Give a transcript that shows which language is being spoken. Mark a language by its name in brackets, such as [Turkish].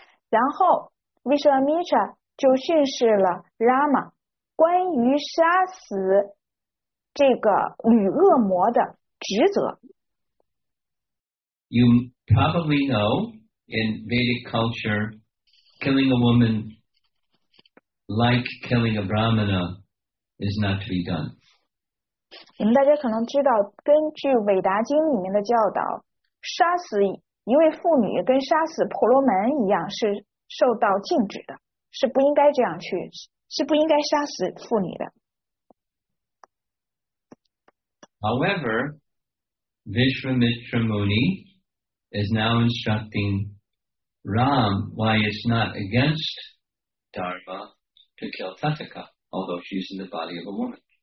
[Chinese] 然后 Vishwamitra 就训示了 Rama 关于杀死这个女恶魔的职责 [English] You probably know in Vedic culture killing a woman like killing a brahmana is not to be done [Chinese] 你们大家可能知道根据韦达经里面的教导杀死一位妇女跟杀死婆罗门一样是受到禁止的是不应该这样去是不应该杀死妇女的 [English] However, Vishramitramuni is now instructing Ram why it's not against Dharma to kill Tataka, although she's in the body of a woman.